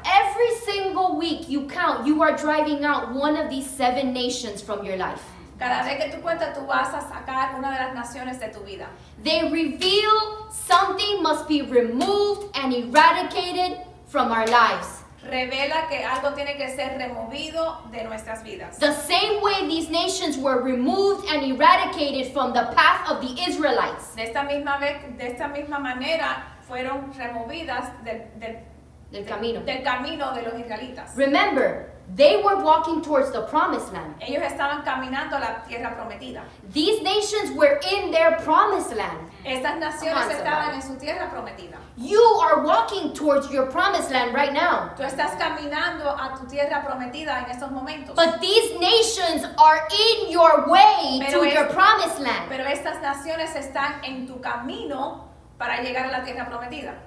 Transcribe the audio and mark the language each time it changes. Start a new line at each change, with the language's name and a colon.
English: Every single week you count, you are driving out one of these seven nations from your life.
Spanish: Cada vez que tú cuentas, tú vas a sacar una de las naciones de tu vida.
English: They reveal something must be removed and eradicated from our lives.
Spanish: Revela que algo tiene que ser removido de nuestras vidas.
English: The same way these nations were removed and eradicated from the path of the Israelites.
Spanish: De esta misma manera fueron removidas del camino de los israelitas.
English: Remember, they were walking towards the promised land.
Spanish: Ellos estaban caminando a la tierra prometida.
English: These nations were in their promised land.
Spanish: Estas naciones estaban en su tierra prometida.
English: You are walking towards your promised land right now.
Spanish: Tú estás caminando a tu tierra prometida en estos momentos.
English: But these nations are in your way to your promised land.
Spanish: Pero estas naciones están en tu camino para llegar a la tierra prometida.